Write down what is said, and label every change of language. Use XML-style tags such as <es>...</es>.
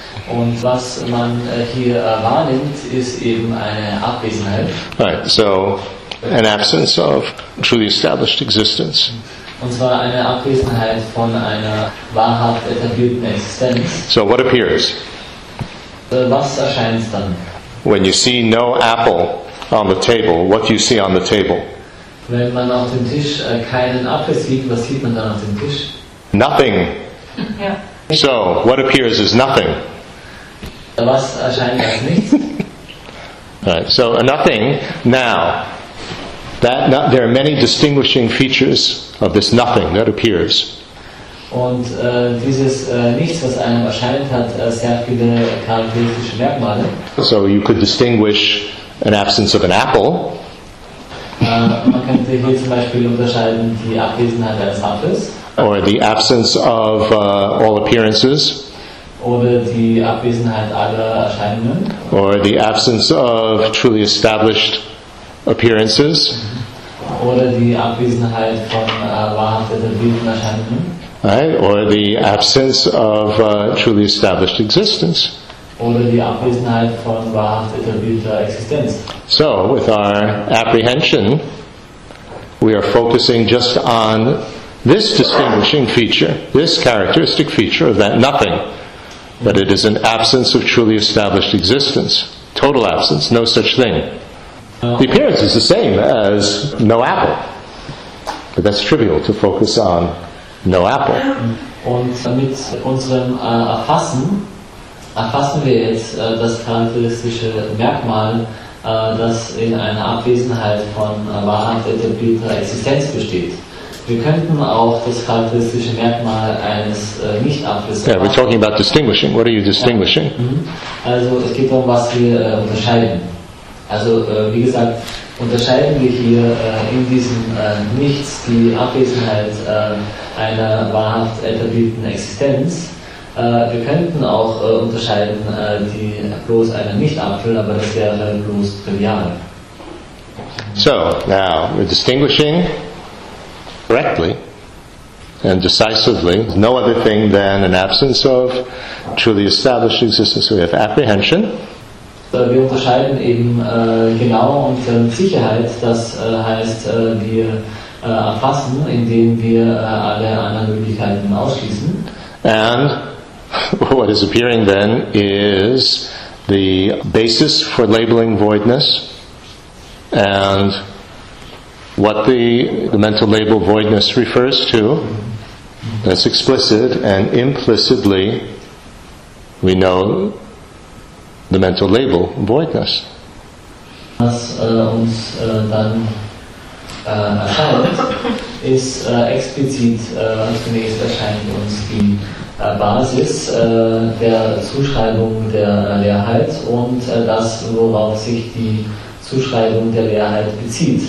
<de>Und was man hier wahrnimmt, ist eben eine Abwesenheit.</de> <en>Right, so an absence of truly established existence.</en> <de>Und zwar eine Abwesenheit von einer wahrhaft etablierten Existenz.</de> <en>So what appears?</en> <de>Was erscheint dann?</de> <en>When you see no apple on the table, what do you see on the table?</en> <de>Wenn man auf dem Tisch keinen Apfel sieht, was sieht man dann auf dem Tisch?</de> <en>Nothing.</en> <de>Ja.</de> <en>So what appears is nothing.</en> <de>Was erscheint als nichts?</de> <en>Right. So a nothing now. That not, there are many distinguishing features of this nothing that appears.</en> <de>Und dieses Nichts, was einem erscheint, hat sehr viele charakteristische Merkmale.</de> <en>So you could distinguish an absence of an apple.</en> <de>Man könnte hier zum Beispiel unterscheiden die Abwesenheit eines Apfels.</de> <en>Or the absence of all appearances.</en> <de>Oder die Abwesenheit aller Erscheinungen.</de> <en>Or the absence of truly established appearances,</en> <de>oder die Abwesenheit von wahrhaft etablierten Erscheinungen,</de> <en>right? Or the absence of truly established existence,</en> <de>oder die Abwesenheit von wahrhaft etablierter Existenz.</de> <en>So, with our apprehension, we are focusing just on this distinguishing feature, this characteristic feature of that nothing, that it is an absence of truly established existence, total absence, no such thing. The appearance is the same as no apple. But that's trivial to focus on no apple.</en> <de>Und mit unserem Erfassen wir jetzt das charakteristische Merkmal, das in einer Abwesenheit von wahrhaft etablierter Existenz besteht. Wir könnten auch das charakteristische Merkmal eines Nicht-Abwesenden.</de> <en>Yeah, we're talking about distinguishing. What are you distinguishing?</en> <de>Also es geht darum, was wir unterscheiden. Also wie gesagt, unterscheiden wir hier in diesem Nichts die Abwesenheit einer wahrhaft etablierten Existenz. Wir könnten auch unterscheiden die bloß einer Nicht-Apfel, aber das wäre bloß trivial.</de> <en>So, now, we're distinguishing correctly and decisively no other thing than an absence of truly established existence. We have apprehension.</en> <de>Wir unterscheiden eben genau und mit Sicherheit, das heißt, wir erfassen, indem wir alle anderen Möglichkeiten ausschließen.</de> <en>And what is appearing then is the basis for labeling voidness, and what the mental label voidness refers to, that's explicit, and implicitly we know the mental label voidness.</en> <de>Was uns dann erscheint, ist explizit zunächst erscheint uns die Basis der Zuschreibung der Leerheit und das, worauf sich die Zuschreibung der Leerheit bezieht.</de>